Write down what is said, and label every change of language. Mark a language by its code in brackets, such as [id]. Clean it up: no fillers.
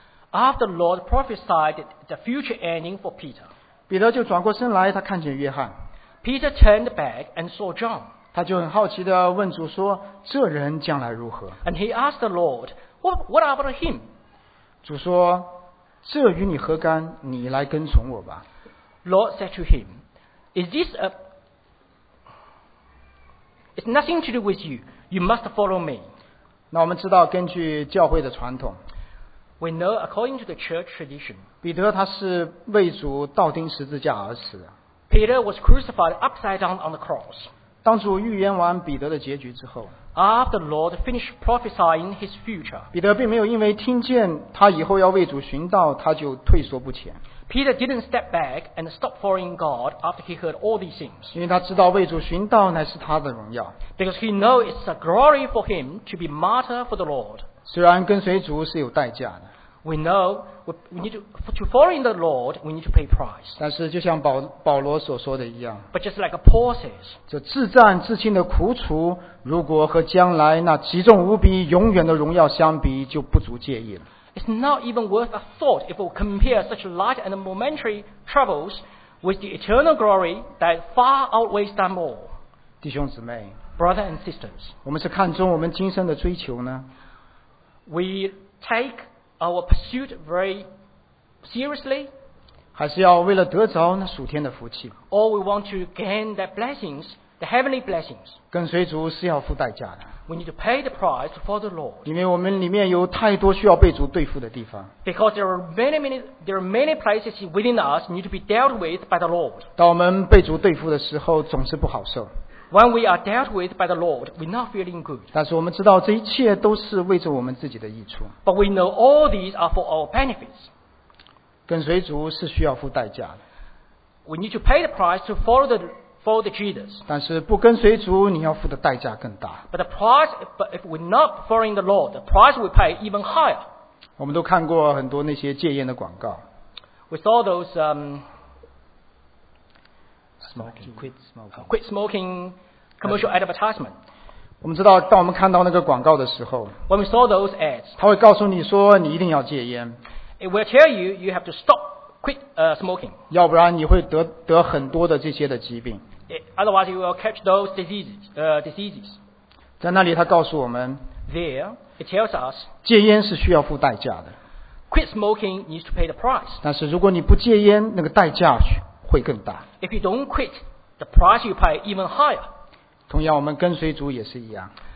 [en] After the Lord prophesied the future ending for Peter, [zh] 彼得就转过身来，他看见约翰。 [en] Peter turned back and saw John. [zh] 他就很好奇地问主说，这人将来如何？ [en] And he asked the Lord, what about him? [zh] 主说，这与你何干？你来跟从我吧。 [en] Lord said to him, It's nothing to do with you. You must follow me. [zh] 那我们知道，根据教会的传统， [en] We know according to the church tradition, [zh] 彼得他是为主道钉十字架而死。 [en] Peter was crucified upside down on the cross. [zh] 当主预言完彼得的结局之后， [en] After the Lord finished prophesying his future, [zh] 彼得并没有因为听见他以后要为主寻道，他就退缩不前。 [en] Peter didn't step back and stop following God after he heard all these things. [zh] 因为他知道为主寻道乃是他的荣耀。 [en] Because he knows it's a glory for him to be martyr for the Lord. [zh] 虽然跟随主是有代价的。 [en] We know we need to follow the Lord. We need to pay price. [zh] 但是就像保罗所说的一样。 [en] But just like Paul says, [zh] 这自战自清的苦楚，如果和将来那极重无比、永远的荣耀相比，就不足介意了。 [en] It's not even worth a thought if we compare such light and momentary troubles with the eternal glory that far outweighs them all. [zh] 弟兄姊妹， [en] brothers and sisters, [zh] 我们是看重我们今生的追求呢？ [en] We take our pursuit very seriously. [zh] 还是要为了得着那属天的福气？ [en] Or we want to gain the blessings, the heavenly blessings. [zh] 跟随主是要付代价的。 [en] We need to pay the price for the Lord. [zh] 因为我们里面有太多需要被主对付的地方。 [en] Because there are many places within us need to be dealt with by the Lord. [zh] 当我们被主对付的时候，总是不好受。 [en] When we are dealt with by the Lord, we're not feeling good. [zh] 但是我们知道这一切都是为着我们自己的益处。 [en] But we know all these are for our benefits. [zh] 跟随主是需要付代价的。 [en] We need to pay the price to follow the Lord. For the Jesus. [zh] 但是不跟随主，你要付的代价更大。 [en] But the price, but if we're not following the Lord, the price we pay even higher. [zh] 我们都看过很多那些戒烟的广告。 [en] We saw those quit smoking commercial advertisement. [zh] 我们知道，当我们看到那个广告的时候 [en] ，When we saw those ads, [zh] 他会告诉你说你一定要戒烟。 [en] It will tell you you have to stop. Quit smoking. [zh] 要不然你会 得很多的这些的疾病。 [en] Otherwise, you will catch those diseases. [zh] 在那里他告诉我们， [en] There, it tells us, [zh] 戒烟是需要付代价的。 [en] Quit smoking needs to pay the price. [zh] 但是如果你不戒烟，那个代价会更大。 [en] If you don't quit, the price you pay even higher. [zh] 同样，我们跟随主也是一样。